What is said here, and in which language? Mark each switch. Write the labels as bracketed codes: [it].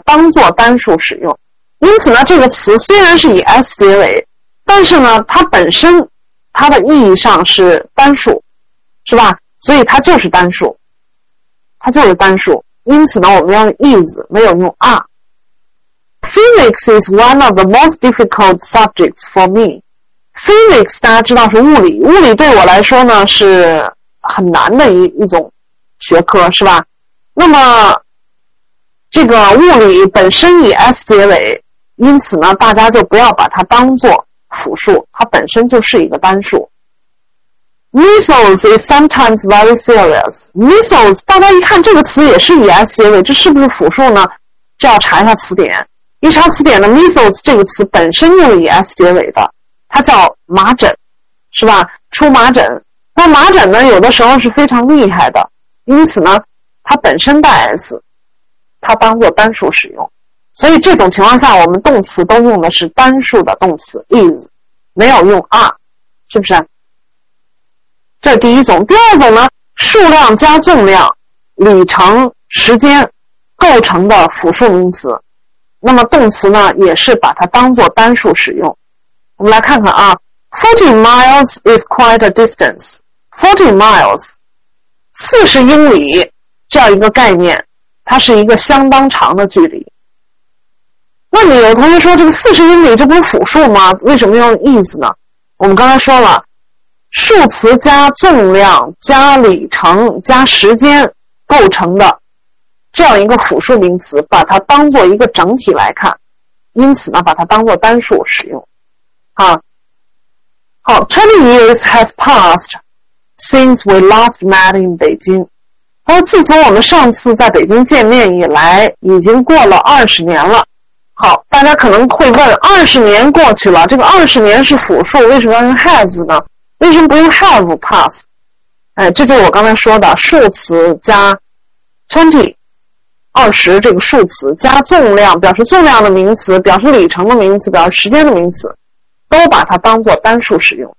[zh] 当做单数使用。因此呢，这个词虽然是以 s 结尾，但是呢，它本身它的意义上是单数，是吧？所以它就是单数，它就是单数。因此呢，我们要用 is， 没有用 are。 [en] Physics is one of the most difficult subjects for me. [zh] Physics 大家知道是物理，物理对我来说呢是很难的一种学科，是吧？那么这个物理本身以 s 结尾，因此呢大家就不要把它当作复数，它本身就是一个单数。 [en] Measles is sometimes very serious. [zh] Measles 大家一看这个词也是以 s 结尾，这是不是复数呢？这要查一下词典。一查词典的 measles 这个词本身就是以 s 结尾的，它叫麻疹，是吧？出麻疹。那麻疹呢有的时候是非常厉害的，因此呢它本身带 s， 它当作单数使用。所以这种情况下我们动词都用的是单数的动词 is， 没有用 are， 是不是？这是第一种。第二种呢，数量加重量、里程、时间构成的复数名词，那么动词呢也是把它当作单数使用。我们来看看啊， [en] 40 miles is quite a distance. 40 miles [zh] 40英里这样一个概念，它是一个相当长的距离。那你有同学说这个40英里这不是复数吗？为什么用 is 呢？我们刚才说了，数词加重量加里程加时间构成的这样一个复数名词，把它当作一个整体来看，因此呢把它当作单数使用。 [en] 好， 20 years has passed since we last met in Beijing. [zh] 而自从我们上次在北京见面以来，已经过了20年了。好，大家可能会问，20年过去了，这个20年是复数，为什么要用 has 呢？为什么不用 [en] have passed？ [zh] 哎，这就是我刚才说的，数词加 20二十这个数词加重量，表示重量的名词，表示里程的名词，表示时间的名词，都把它当作单数使用。